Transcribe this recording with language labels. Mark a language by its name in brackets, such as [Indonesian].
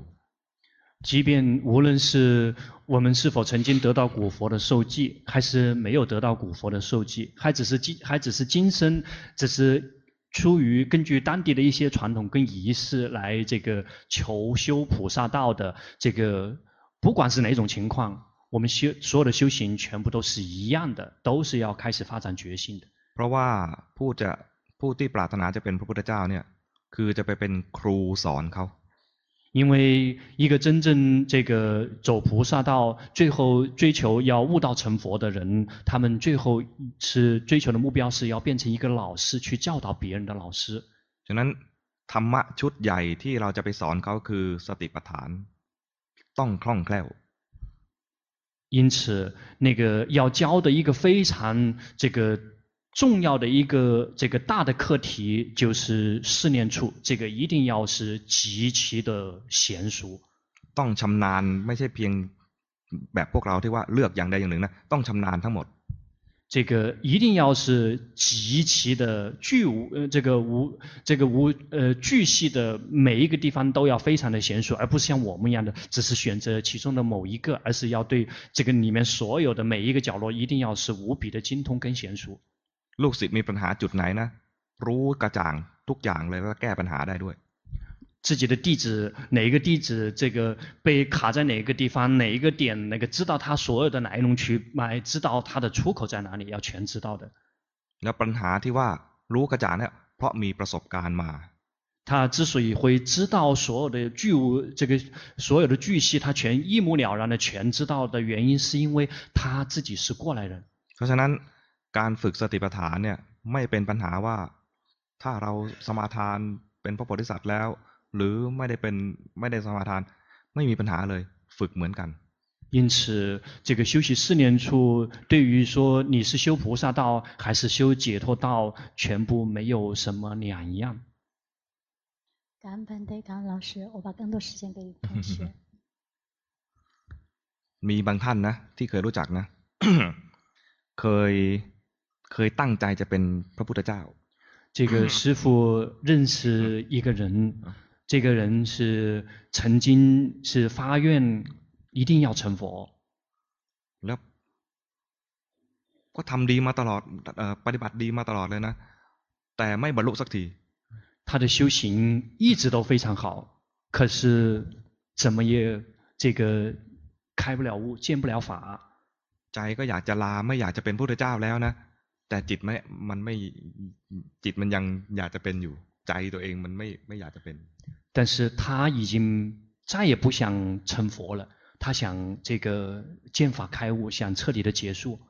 [Chinese] 即便无论是我们是否曾经得到古佛的授记还是没有得到古佛的授记还只是今生只是出于根据当地的一些传统跟仪式来这个求修菩萨道的这个不管是哪种情况我们所有的修行全部都是一样的都是要开始发展决心的 [Thai] เพราะว่าผู้ที่ปรารถนาจะเป็นพระพุทธเจ้าเนี่ยคือจะไปเป็นครูสอนเขา [Chinese] 因为一个真正这个走菩萨道最后追求要悟道成佛的人他们最后是追求的目标是要变成一个老师去教导别人的老师 [Thai] ฉะนั้นธรรมะชุดใหญ่ที่เราจะไปสอนเขาคือสติปัฏฐานต้องคล่องแคล่ว [Chinese] 因此那个要教的一个非常这个重要的一个这个大的课题就是四念处，这个一定要是极其的娴熟。 [Thai] ต้องชำนาญไม่ใช่เพียงแบบพวกเราที่ว่าเลือกอย่างใดอย่างหนึ่งนะต้องชำนาญทั้งหมด。 [Chinese] 这个一定要是极其的巨无这个无这个无巨细的每一个地方都要非常的娴熟，而不是像我们一样的只是选择其中的某一个，而是要对这个里面所有的每一个角落一定要是无比的精通跟娴熟。 [Thai] ลูกศิษย์มีปัญหาจุดไหนนะรู้กระจ่างทุกอย่างเลยแล้วแก้ปัญหาได้ด้วย [Chinese] 自己的弟子哪一个弟子这个被卡在哪一个地方哪一个点那个知道他所有的来龙去脉知道他的出口在哪里要全知道的 [Thai] แล้วปัญหาที่ว่ารู้กระจ่างเนี่ยเพราะมีประสบการณ์มา [Chinese] 他之所以会知道所有的巨无这个所有的巨细他全一目了然的全知道的原因是因为他自己是过来人 [Thai] เพราะฉะนั้นการฝึกสติปัฏฐานเนี่ยไม่เป็นปัญหาว่าถ้าเราสมาทานเป็นพระโพธิสัตว์แล้วหรือไม่ได้เป็นไม่ได้สมาทานไม่มีปัญหาเลยฝึกเหมือนกัน [Chinese] 因此这个修习四念处对于说你是修菩萨道还是修解脱道全部没有什么两样感恩本队感恩老师我把更多时间给同学 [Thai] มีบางท่านนะที่เคยรู้จักนะเคยตั้งใจจะเป็นพระพุทธเจ้า [Chinese] 这个师父认识一个人这个人是曾经是发愿一定要成佛 [Thai] แล้วก็ทำดีมาตลอดปฏิบัติดีมาตลอดเลยนะแต่ไม่บรรลุสักที [Chinese] 他的修行一直都非常好可是怎么也这个开不了悟见不了法 [Thai] ใจก็อยากจะลาไม่อยากจะเป็นพระพุทธเจ้าแล้วนะแต่จิตไม่มันไม่จิตมันยังอยากจะเป็นอยู่ใจตัวเองมันไม่อยากจะเป็น [Chinese] 但是他已经再也不想成佛了他想这个见法开悟想彻底的结束